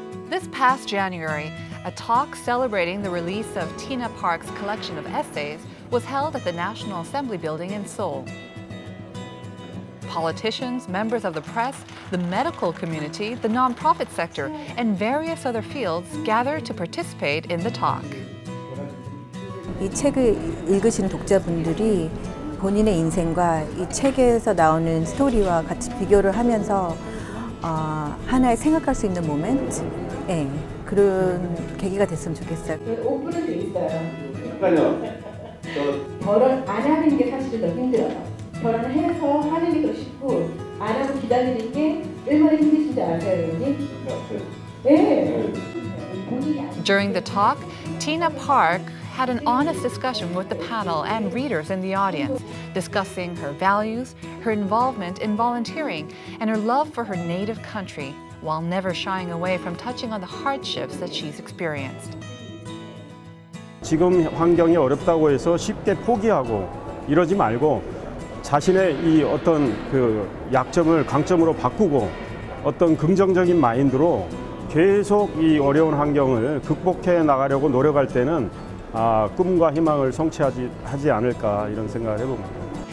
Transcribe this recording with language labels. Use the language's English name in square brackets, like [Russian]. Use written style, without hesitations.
[English] This past January, a talk celebrating the release of Tina Park's collection of essays was held at the National Assembly Building in Seoul. Politicians, members of the press, the medical community, the nonprofit sector, and various other fields gathered to participate in the talk. [Korean] 이 책을 읽으신 독자분들이 본인의 인생과 이 책에서 나오는 스토리와 같이 비교를 하면서 하나의 생각할 수 있는 모멘트. 예, 그런 계기가 됐으면 좋겠어요. 오픈은 돼 있어요. 그러니까요. 결혼 안 하는 게 사실 더 힘들어요. 결혼을 해서 하는 게 더 쉽고 안 하고 기다리는 게 얼마나 힘드신지 아세요, 여러분? 예. [English] During the talk, Tina Park had an honest discussion with the panel and readers in the audience, discussing her values, her involvement in volunteering, and her love for her native country, while never shying away from touching on the hardships that she's experienced. [Korean] 지금 환경이 어렵다고 해서 쉽게 포기하고 이러지 말고 자신의 이 어떤 그 약점을 강점으로 바꾸고 어떤 긍정적인 마인드로 계속 이 어려운 환경을 극복해 나가려고 노력할 때는 아, 꿈과 희망을 성취하지 않을까 이런 생각을 해봅니다.